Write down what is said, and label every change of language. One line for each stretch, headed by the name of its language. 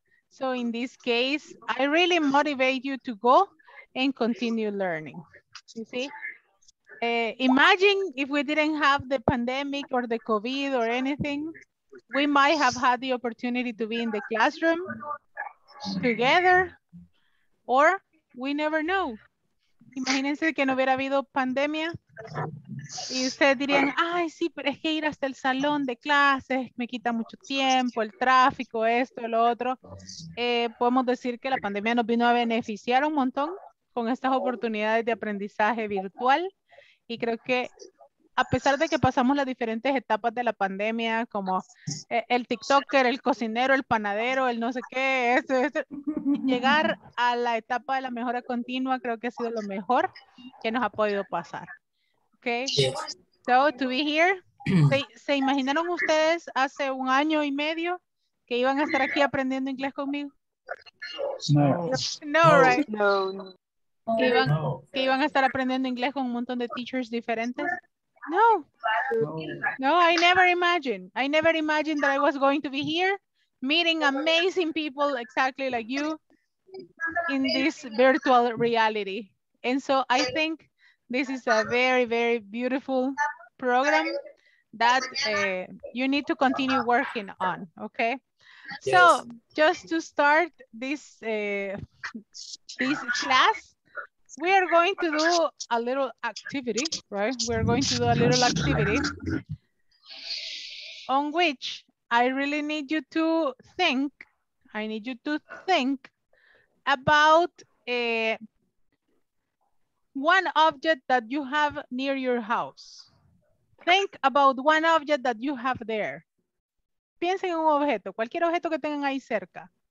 English: So in this case, I really motivate you to go and continue learning. You see? Imagine if we didn't have the pandemic or the COVID or anything, we might have had the opportunity to be in the classroom together, or we never know.
Spanish: Imagínense que no hubiera habido pandemia y ustedes dirían, ay, sí, pero es que ir hasta el salón de clases me quita mucho tiempo, el tráfico, esto, lo otro. Podemos decir que la pandemia nos vino a beneficiar un montón con estas oportunidades de aprendizaje virtual. Y creo que a pesar de que pasamos las diferentes etapas de la pandemia, como el TikToker, el cocinero, el panadero, el no sé qué, eso, llegar a la etapa de la mejora continua creo que ha sido lo mejor que nos ha podido pasar.
English: Okay. Yes. So, to be here,
Spanish: ¿se imaginaron ustedes hace un año y medio que iban a estar aquí aprendiendo inglés conmigo? No.
English: No, right? No.
Spanish: Que iban a estar aprendiendo inglés con un montón de teachers diferentes? No. No,
English: I never imagined. I never imagined that I was going to be here meeting amazing people exactly like you in this virtual reality. And so I think this is a very, very beautiful program that you need to continue working on, okay? So just to start this, this class, we are going to do a little activity, right? We're going to do a little activity on which I really need you to think. I need you to think about one object that you have near your house. Think about one object that you have there.
Spanish: Piensen en un objeto, cualquier objeto que tengan ahí cerca.